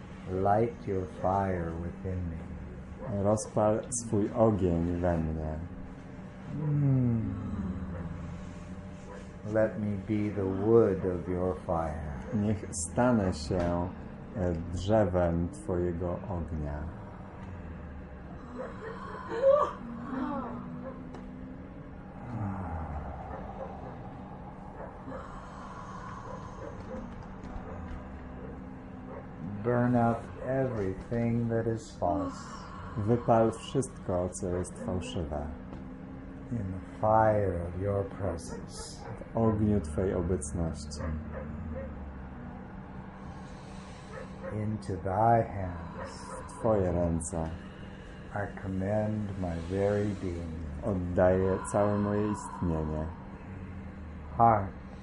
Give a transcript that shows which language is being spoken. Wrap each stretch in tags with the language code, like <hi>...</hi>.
<en>Light your fire within me.</en> <pl>Rozpal swój ogień we mnie.</pl> <en>Let me be the wood of your fire.</en> <pl>Niech stanę się drzewem twojego ognia.</pl> <en>Burn out everything that is false.</en> <pl>Wypal wszystko, co jest fałszywe.</pl> <en>In the fire of your presence.</en> <pl>W ogniu twojej obecności.</pl> <en>Into thy hands.</en> <pl>W twoje ręce.</pl> <en>I commend my very being.</en> <pl>Oddaję całe moje istnienie.</pl> <en>Heart.</en>